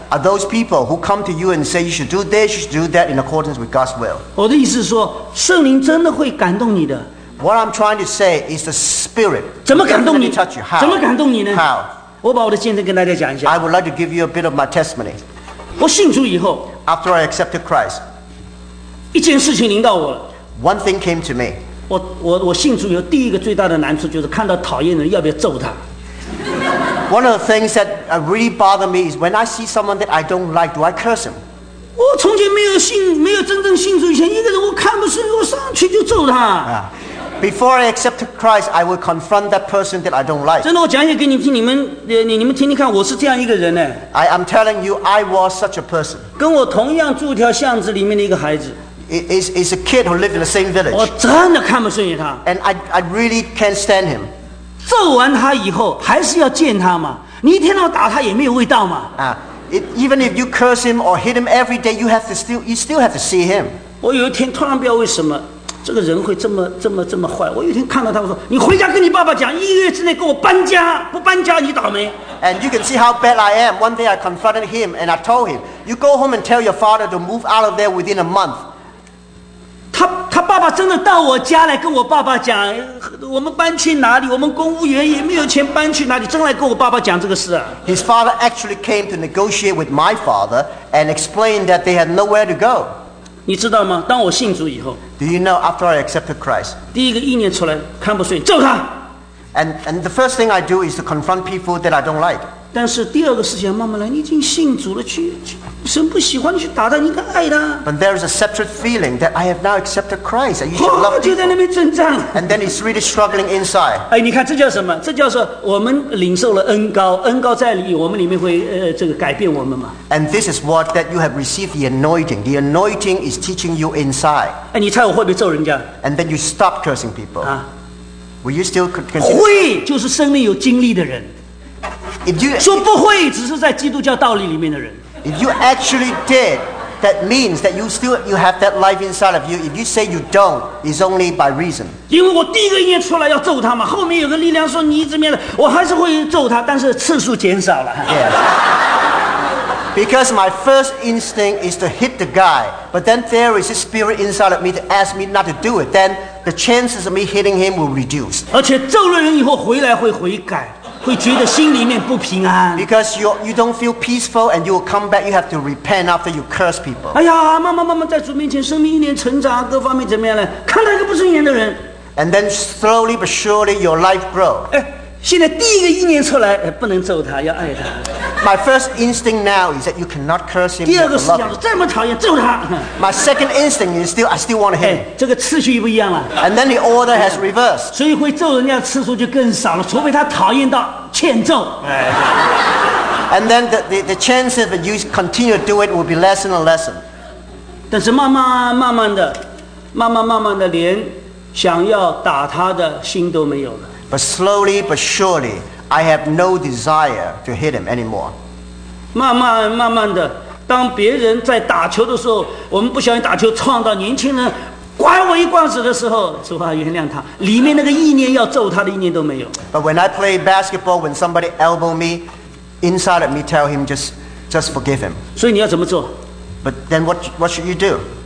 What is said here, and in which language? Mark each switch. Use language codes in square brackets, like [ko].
[en] Are those people who come to you and say you should do this, you should do that in accordance with God's will? [zh] 我的意思是说，圣灵真的会感动你的。 [en] What I'm trying to say is the Spirit. [zh] 怎么感动你？ [en] Touch you. How? [zh] 怎么感动你呢？ [en] How? [zh] 我把我的见证跟大家讲一下。 [en] I would like to give you a bit of my testimony. [zh] 我信主以后， [en] After I accepted Christ, [zh] 一件事情临到我了。 [en] One thing came to me. [zh] 我信主以后第一个最大的难处就是看到讨厌的人要不要揍他。 [en] One of the things that really bother me is when I see someone that I don't like, do I curse him? [zh] 我从前没有真正信主以前，一个人我看不顺，我上去就揍他。 [en] Before I accepted Christ, I would confront that person that I don't like. [zh] 真的，我讲一下给你听，你们听听看，我是这样一个人呢。 [en] I'm telling you, I was such a person. [zh] 跟我同样住条巷子里面的一个孩子。 [en] Is a kid who lived in the same village. [zh] 我真的看不顺眼他。 [en] And I really can't stand him. [zh] 揍完他以后，还是要见他嘛？你一天到打他也没有味道嘛？ [en] Even if you curse him or hit him every day, you still have to see him. [zh] 我有一天突然不知道为什么，这个人会这么坏。我有一天看到他，我说：“你回家跟你爸爸讲，一个月之内给我搬家，不搬家你倒霉。” [en] And you can see how bad I am. One day I confronted him and I told him, "You go home and tell your father to move out of there within a month." [zh] 他爸爸真的到我家来跟我爸爸讲，我们搬去哪里？我们公务员也没有钱搬去哪里，真来跟我爸爸讲这个事啊。 [en] His father actually came to negotiate with my father and explained that they had nowhere to go. [zh] 你知道吗？当我信主以后 [en] ，Do you know after I accepted Christ? [zh] 第一个意念出来，看不顺，揍他。 [en] And the first thing I do is to confront people that I don't like. [zh] 但是第二个事情慢慢来，你已经信主了，去神不喜欢你去打他，你应该爱他。 [en] But there is a separate feeling that I have now accepted Christ, and you should love people. [zh] 就在那边挣扎。 [en] And then he's really struggling inside. [zh] 哎，你看这叫什么？这叫做我们领受了恩膏，恩膏在我们里面会这个改变我们嘛。 [en] And this is what that you have received the anointing. The anointing is teaching you inside. [zh] 哎，你猜我会不会揍人家 [en] ？And then you stop cursing people. 啊，Will you still continue? [zh] 会，就是生命有经历的人。说不会，只是在基督教道理里面的人。 [en] If you actually did, that means that you still have that life inside of you. If you say you don't, it's only by reason. [zh] 因为我第一个音乐出来要揍他嘛，后面有个力量说你怎么样的，我还是会揍他，但是次数减少了。 [en] Yes. Because my first instinct is to hit the guy, but then there is a spirit inside of me to ask me not to do it. Then the chances of me hitting him will reduce. [zh] 而且揍了人以后回来会悔改。会觉得心里面不平安。 [en] Because you don't feel peaceful and you will come back, you have to repent after you curse people. [zh] 哎呀，慢慢在主面前，生命一年成长，各方面怎么样呢？看来一个不顺眼的人。 [en] And then slowly but surely your life grow. [zh] 现在第一个意念出来，不能揍他，要爱他。 [en] My first instinct now is that you cannot curse him. [zh] 第二个思想是这么讨厌，揍他。 [en] My second instinct is still, I still want him. [zh] 这个次序不一样了。 [en] And then the order has reversed. [zh] 所以会揍人家的次数就更少了，除非他讨厌到欠揍。 [en] And then the chance that you continue to do it will be less and less. [zh] 但是慢慢慢慢的，慢慢慢慢的，连想要打他的心都没有了。 [en] But slowly but surely, I have no desire to hit him anymore. [zh] 慢慢慢慢的，当别人在打球的时候，我们不小心打球撞到年轻人，拐我一罐子的时候，主啊原谅他，里面那个意念要揍他的意念都没有。 [en] But when I play basketball, when somebody elbow me, inside of me tell him just forgive him. [zh] 所以你要怎么做 [en] ？But then what should you do?